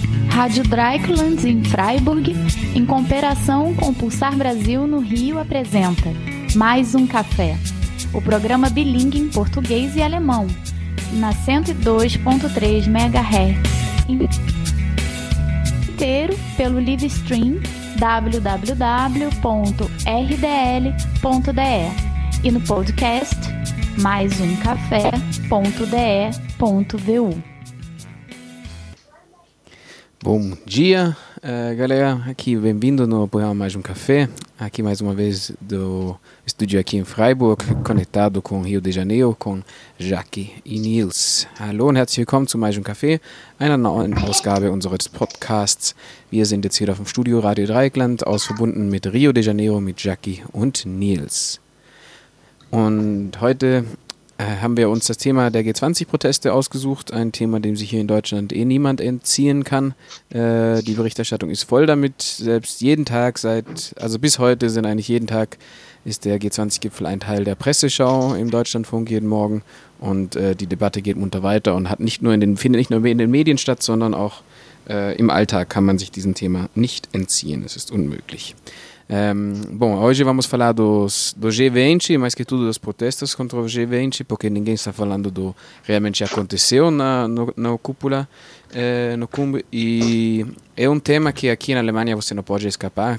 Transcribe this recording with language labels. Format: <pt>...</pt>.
<pt>Rádio Dreieckland em Freiburg, em cooperação com o Pulsar Brasil no Rio, apresenta Mais um Café, o programa bilíngue em português e alemão, na 102.3 MHz, inteiro pelo live stream www.rdl.de e no podcast maisumcafé.de.vu. Bom dia, galera, aqui bem-vindo no programa Mais um Café, aqui mais uma vez do estúdio aqui em Freiburg, conectado com Rio de Janeiro, com Jacque e Nils.</pt> <de>Hallo und herzlich willkommen zu Mais um Café, einer neuen Ausgabe unseres Podcasts. Wir sind jetzt hier auf dem Studio Radio Dreieckland, aus verbunden mit Rio de Janeiro, mit Jacque und Nils. Und heute haben wir uns das Thema der G20-Proteste ausgesucht, ein Thema, dem sich hier in Deutschland eh niemand entziehen kann. Die Berichterstattung ist voll damit, selbst jeden Tag seit, also bis heute sind eigentlich jeden Tag, ist der G20-Gipfel ein Teil der Presseschau im Deutschlandfunk jeden Morgen und die Debatte geht munter weiter und hat nicht nur in den, findet nicht nur in den Medien statt, sondern auch im Alltag kann man sich diesem Thema nicht entziehen, es ist unmöglich.</de> <pt>Bom, hoje vamos falar do G20, mais que tudo das protestas contra o G20, porque ninguém está falando do realmente aconteceu na cúpula, no cumbe, e é um tema que aqui na Alemanha você não pode escapar.</pt>